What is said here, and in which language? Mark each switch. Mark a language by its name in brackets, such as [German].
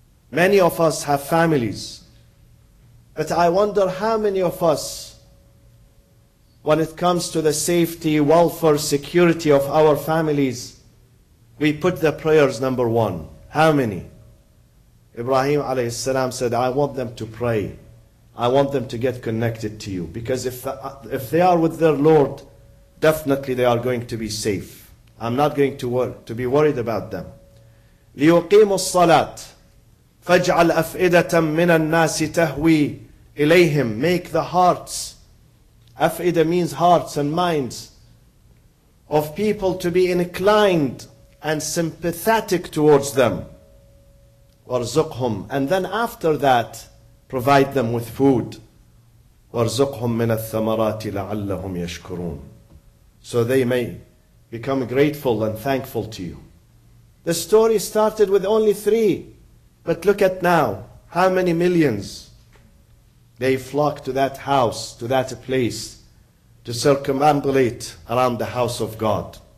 [English] Many of us have families, but I wonder how many of us, when it comes to the safety, welfare, security of our families, we put the prayers number one. How many? Ibrahim alayhi salam said, I want them to pray. I want them to get connected to you. Because if they are with their Lord, definitely they are going to be safe. I'm not going to be worried about them. [Arabic] ليقيموا الصلاة فاجعل أفئدة من الناس تهوي إليهم. [English] Make the hearts. أفئدة means hearts and minds of people to be inclined and sympathetic towards them. [Arabic] وارزقهم. [English] And then after that, provide them with food. [Arabic] وارزقهم من الثمرات لعلهم يشكرون. [English] So they may become grateful and thankful to you. The story started with only three. But look at now, how many millions they flock to that house, to that place, to circumambulate around the house of God.